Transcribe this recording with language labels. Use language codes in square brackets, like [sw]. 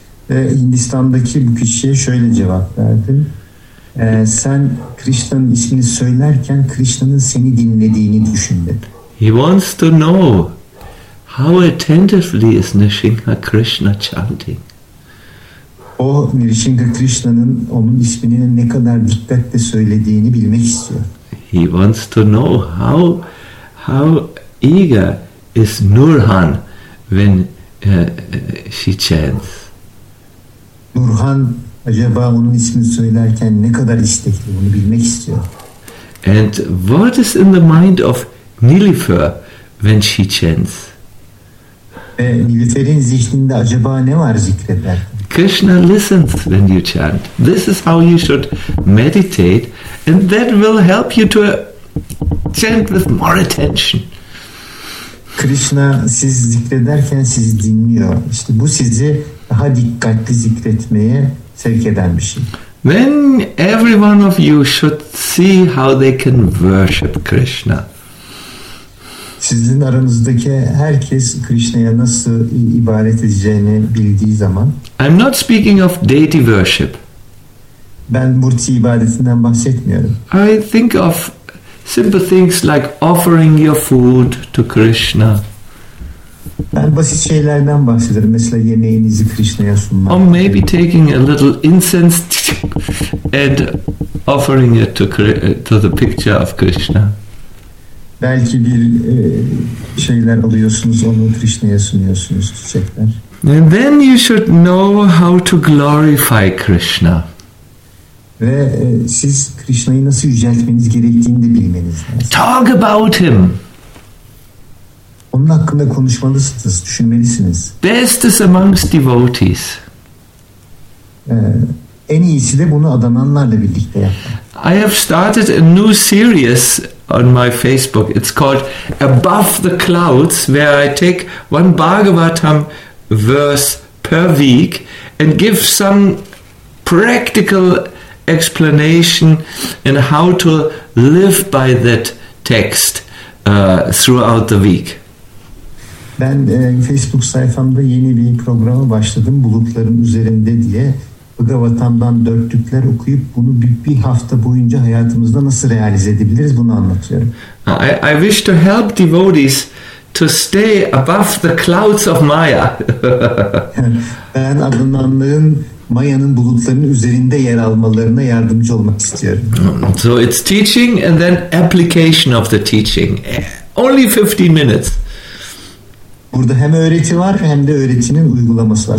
[tr] Hindistan'daki bu kişiye şöyle cevap verdim. Sen Krishna'nın ismini söylerken Krishna'nın seni dinlediğini düşündün. [en] He wants to know how attentively is Nrisimha Krishna chanting. [tr] O Nrisimha Krishna'nın onun ismini ne kadar dikkatle söylediğini bilmek istiyor. [en] He wants to know how eager is Nurhan when she chants. [tr] Nurhan acaba onun ismini söylerken ne kadar istekli, onu bilmek istiyor. [en] And what is in the mind of Nilüfer when she chants? [tr] Nilüfer'in zihninde acaba ne var zikreder? [en] Krishna listens when you chant. This is how you should meditate, and that will help you to chant with more attention. [tr] Krishna siz zikrederken sizi dinliyor. İşte bu sizi daha dikkatli zikretmeye sevk eden bir şey. [en] When every one of you should see how they can worship Krishna. [tr] Sizin aranızdaki herkes Krishna'ya nasıl ibadet edeceğini bildiği zaman. [en] I'm not speaking of deity worship. [tr] Ben murti ibadetinden bahsetmiyorum. [en] I think of simple things like offering your food to Krishna. [tr] Ben basit şeylerden bahsederim. Mesela yemeğinizi Krishna'ya sunmak. [en] Or maybe taking a little incense and offering it to the picture of Krishna. [tr] Belki bir şeyler alıyorsunuz, onu Krishna'ya sunuyorsunuz, çiçekler. [en] And then you should know how to glorify Krishna. [tr] Ve siz Krishna'yı nasıl yüceltmeniz gerektiğini de bilmeniz lazım. [en] Talk about him. [tr] Onun hakkında konuşmalısınız, düşünmelisiniz. [en] Best is amongst devotees. [tr] En iyisi de bunu adananlarla birlikte yapmak. [en] I have started a new series on my Facebook. It's called Above the Clouds, where I take one Bhagavatam verse per week and give some practical explanation and how to live by that text throughout the week. [tr] Ben Facebook sayfamda yeni bir programa başladım, Bulutların Üzerinde diye. Bhagavatam'dan dörtlükler okuyup bunu bir hafta boyunca hayatımızda nasıl realize edebiliriz bunu anlatıyorum. [en] I wish to help devotees to stay above the clouds of Maya. [tr] Ben adınanlığın Maya'nın bulutlarının üzerinde yer almalarına yardımcı olmak istiyorum. [en] So it's teaching and then application of the teaching. Only 15 minutes. [tr] Burada hem öğreti var hem de öğretinin uygulaması var.